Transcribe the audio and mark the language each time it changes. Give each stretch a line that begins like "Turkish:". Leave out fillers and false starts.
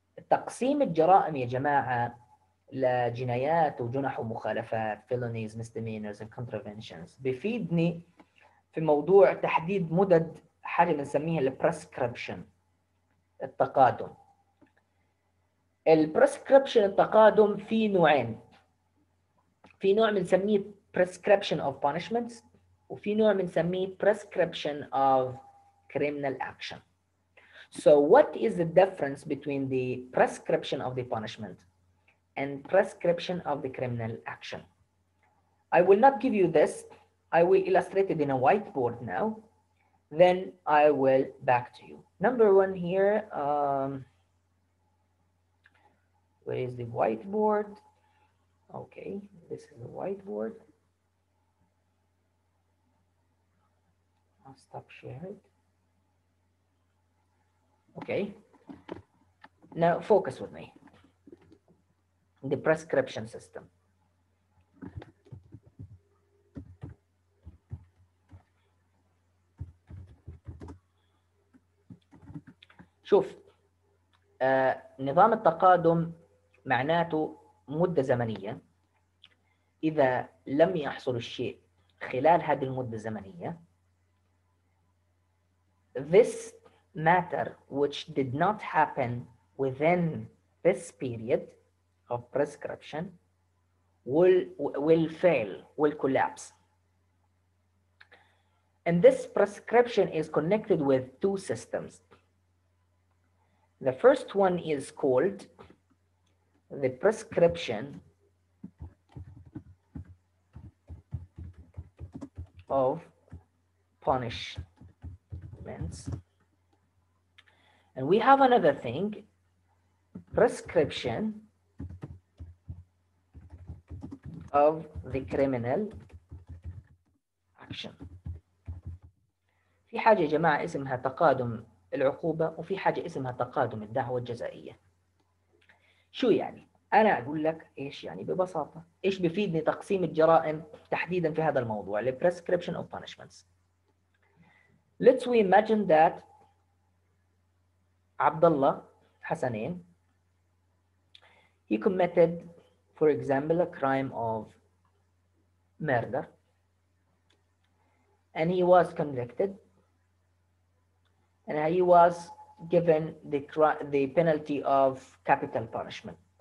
Arabic: تقسيم الجرائم يا جماعة لجنايات وجنح ومخالفات
English: felonies, misdemeanors and contraventions
Arabic: بفيدني في موضوع تحديد مدد حاجة بنسميها البرسكريبشن التقادم. البرسكريبشن التقادم في نوعين، في نوع بنسميه
English: prescription of punishments
Arabic: وفي نوع بنسميه
English: prescription of criminal action. So what is the difference between the prescription of the punishment and prescription of the criminal action? I will not give you this. I will illustrate it in a whiteboard now. Then I will back to you. Number one here, where is the whiteboard? Okay, this is the whiteboard. I'll stop sharing. Okay, now focus with me. The prescription system.
Arabic: شوف نظام التقادم معناته مدة زمنية. إذا لم يحصل الشيء خلال هذه المدة الزمنية,
English: this matter which did not happen within this period of prescription will fail, will collapse. And this prescription is connected with two systems. The first one is called the prescription of punishments. And we have another thing, prescription of the criminal action.
Arabic: في حاجة يا جماعة اسمها تقادم العقوبة وفي حاجة اسمها تقادم الدعوة الجزائية. شو يعني؟ أنا أقول لك إيش يعني ببساطة، إيش بفيدني تقسيم الجرائم تحديدا في هذا الموضوع الـ
English: prescription of punishments. Let's we imagine that عبد الله حسنين he committed for example a crime of murder and he was convicted and he was given the penalty of capital punishment.